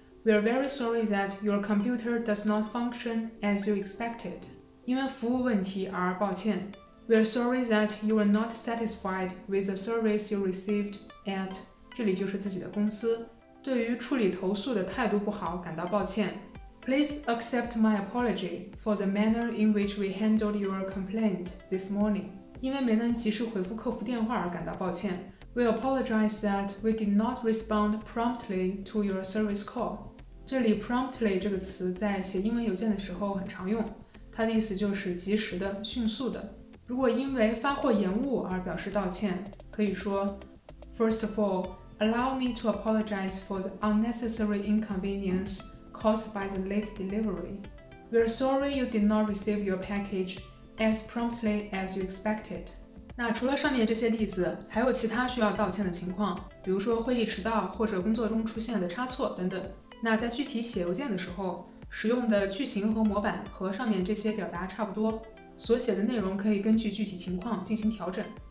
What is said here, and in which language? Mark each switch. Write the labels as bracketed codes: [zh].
[en] We're very sorry that your computer does not function as you expected. [zh] 因为服务问题而抱歉。 [en] We are sorry that you were not satisfied with the service you received at [zh] 这里就是自己的公司。对于处理投诉的态度不好感到抱歉。 [en] Please accept my apology for the manner in which we handled your complaint this morning. [zh] 因为没能及时回复客服电话而感到抱歉。 [en] We apologize that we did not respond promptly to your service call. [zh] 这里 promptly 这个词在写英文邮件的时候很常用。它的意思就是及时的、迅速的。如果因为发货延误而表示道歉，可以说 [en] First of all, allow me to apologize for the unnecessary inconvenience caused by the late delivery. We are sorry you did not receive your package as promptly as you expected. [zh] 那除了上面这些例子，还有其他需要道歉的情况，比如说会议迟到或者工作中出现的差错等等。那在具体写邮件的时候，使用的句型和模板和上面这些表达差不多，所写的内容可以根据具体情况进行调整。